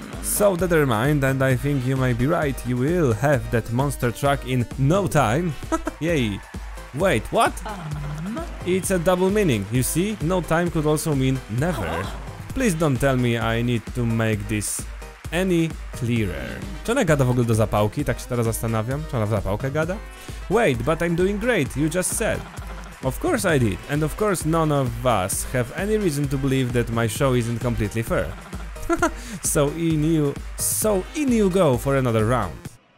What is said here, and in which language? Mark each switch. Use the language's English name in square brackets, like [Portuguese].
[English] So that in mind, and I think you may be right, you will have that monster truck in no time. Yay! Wait, what? It's a double meaning, you see? No time could also mean never. Please don't tell me I need to make this any clearer. [Polish] Czy ona gada w ogóle do zapałki? Tak się teraz zastanawiam. Czy ona w zapałkę gada? [English] Wait, but I'm doing great, you just said. Of course I did, and of course none of us have any reason to believe that my show isn't completely fair. So in you go for another round.